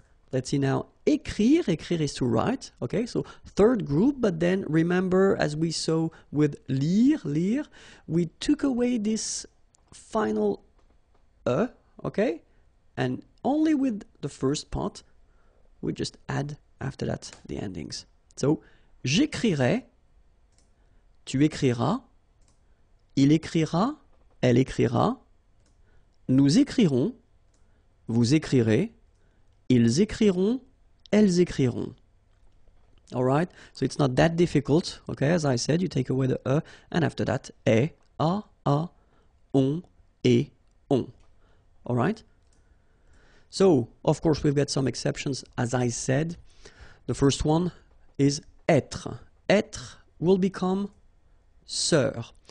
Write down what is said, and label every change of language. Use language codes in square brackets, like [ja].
[en] Let's see now, écrire, écrire is to write, okay, so third group, but then remember, as we saw with lire, lire, we took away this final e, okay, and only with the first part, we just add after that the endings. So, [fr] J'écrirai, tu écriras, il écrira, elle écrira, nous écrirons, vous écrirez, ils écriront, elles écriront. [en] All right, so it's not that difficult. Okay, as I said, you take away the e, and after that, e, a, on, et, on. All right. So, of course, we've got some exceptions, as I said. The first one is être. Être will become sœur.